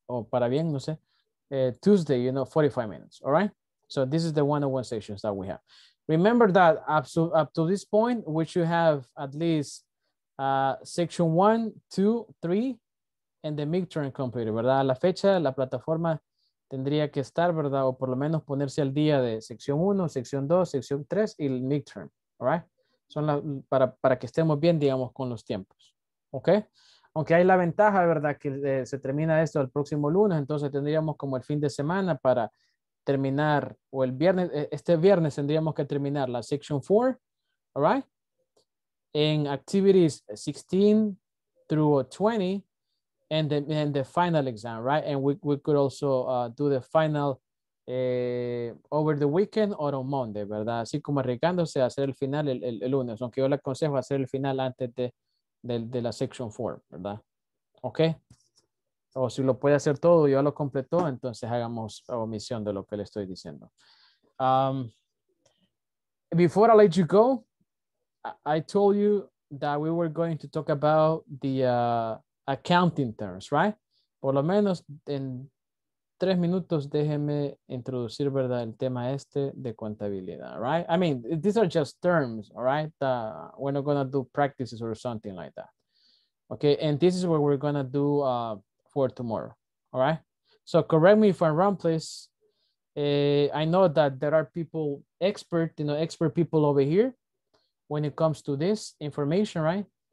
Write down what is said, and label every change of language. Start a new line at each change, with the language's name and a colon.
Spanish: Para bien, no sé.
English: Tuesday, 45 minutes, all right? So this is the 101 sessions that we have. Remember that up to this point, we should have at least section 1, 2, 3, and the midterm completed, ¿verdad?
Spanish: La fecha, la plataforma tendría que estar, ¿verdad? O por lo menos ponerse al día de sección 1, sección 2, sección 3 y el midterm, all right? Son para que estemos bien, digamos, con los tiempos, ¿ok? Aunque hay la ventaja, ¿verdad? Que se termina esto el próximo lunes, entonces tendríamos como el fin de semana para terminar, o el viernes, este viernes tendríamos que terminar la section 4, all right?
English: En activities 16 through 20, and the final exam, right? And we could also do the final over the weekend or on Monday, ¿verdad?
Spanish: Así como arriesgándose a hacer el final el lunes, aunque yo le aconsejo hacer el final antes de la section 4, ¿verdad? ¿Ok? O si lo puede hacer todo, ya lo completó, entonces hagamos omisión de lo que le estoy diciendo.
English: Before I let you go, I told you that we were going to talk about the accounting terms, right?
Spanish: Por lo menos en 3 minutos, déjeme introducir, ¿verdad? El tema este de contabilidad, right?
English: I mean, these are just terms, all right? We're not going to do practices or something like that. Okay, and this is what we're going to do for tomorrow, all right? So correct me if I'm wrong, please. I know that there are people, expert people over here when it comes to this information, right?